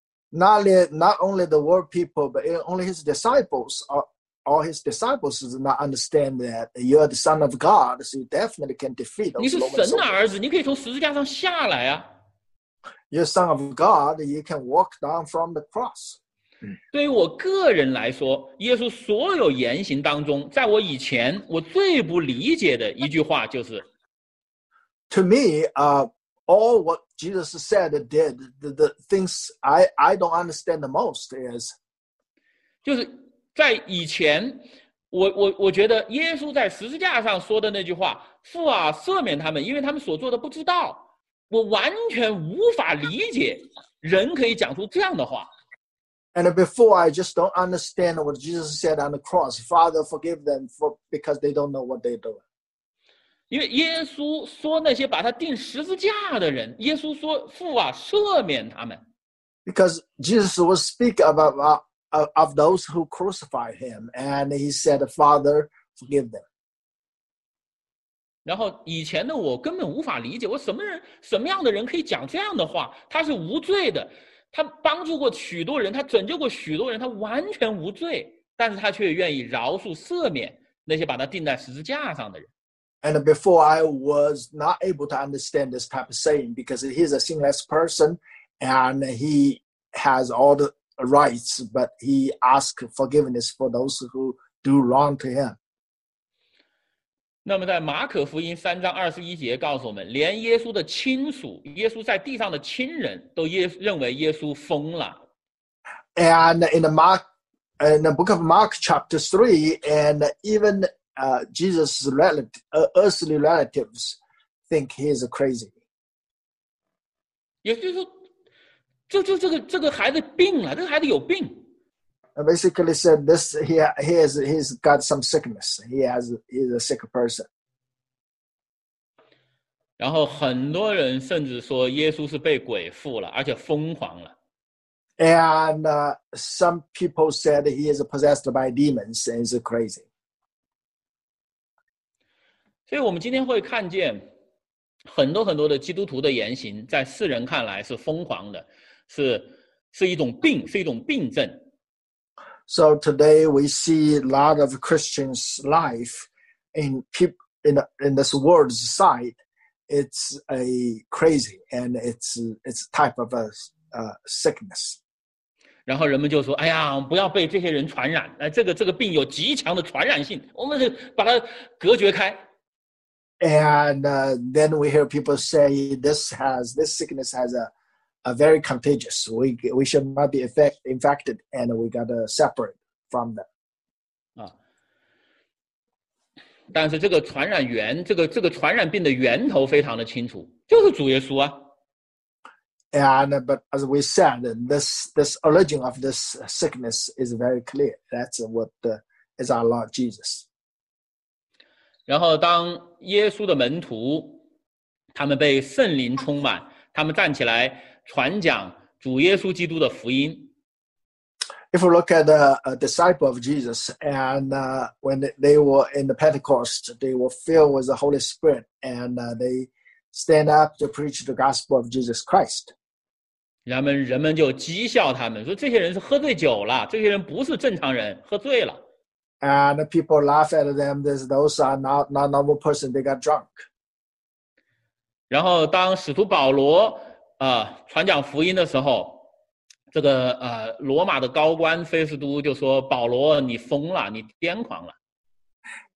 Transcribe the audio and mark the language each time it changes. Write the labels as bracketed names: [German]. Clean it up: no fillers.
[English] Not only the world people, but only his disciples, all his disciples do not understand that you are the son of God, so you definitely can defeat those Roman soldiers. [Chinese] 你是神的儿子，你可以从十字架上下来啊。 [English] You're son of God, you can walk down from the cross. [Chinese] 对于我个人来说，耶稣所有言行当中，在我以前我最不理解的一句话就是 [English] To me, all what Jesus said and did, the things I don't understand the most is [Chinese] 就是在以前我觉得耶稣在十字架上说的那句话，父啊，赦免他们，因为他们所做的不知道，我完全无法理解人可以讲出这样的话。 [English] And before I just don't understand what Jesus said on the cross, Father forgive them for because they don't know what they do. [Chinese] 因为耶稣说那些把他钉十字架的人，耶稣说父啊赦免他们。 [English] Because Jesus was speaking of those who crucified him, and he said, Father forgive them. [Chinese] 然后以前的我根本无法理解，我什么人什么样的人可以讲这样的话，他是无罪的，他帮助过许多人，他拯救过许多人，他完全无罪，但是他却愿意饶恕赦免那些把他钉在十字架上的人。 [English] And before I was not able to understand this type of saying because he's a sinless person and he has all the rights, but he asked forgiveness for those who do wrong to him. [Chinese] 那么在马可福音3:21告诉我们，连耶稣的亲属，耶稣在地上的亲人都认为耶稣疯了。 [English] And in the book of Mark chapter 3, and even Jesus' earthly relatives think he is crazy. [Chinese] 也就是说，这个孩子病了，这个孩子有病。 [English] Basically said this, he's got some sickness. He's a sick person. [Chinese] 然后很多人甚至说耶稣是被鬼附了，而且疯狂了。 [English] And some people said he is possessed by demons and is crazy. [Chinese] 所以我们今天会看见很多很多的基督徒的言行，在世人看来是疯狂的，是一种病，是一种病症。 [English] So today we see a lot of Christians' life in this world's sight it's a crazy and it's type of a sickness. [Chinese] 然后人们就说：“哎呀，不要被这些人传染！哎，这个病有极强的传染性，我们把它隔绝开。” [English] And then we hear people say this sickness has a very contagious. We should not be infected, and we gotta separate from them. [Chinese] 啊，但是这个传染源，这个传染病的源头非常的清楚，就是主耶稣啊。 [English] And but as we said, this origin of this sickness is very clear. That's what is our Lord Jesus. [Chinese] 然后当耶稣的门徒他们被圣灵充满，他们站起来传讲主耶稣基督的福音。 [English] If you look at the disciple of Jesus, and when they were in the Pentecost, they were filled with the Holy Spirit, and they stand up to preach the gospel of Jesus Christ. [Chinese] 人们就讥笑他们，说这些人是喝醉酒了，这些人不是正常人，喝醉了。 [English] And people laugh at them. Those are not normal person. They got drunk. [Chinese] 然后当使徒保罗传讲福音的时候，这个罗马的高官菲斯都就说：“保罗，你疯了，你癫狂了。”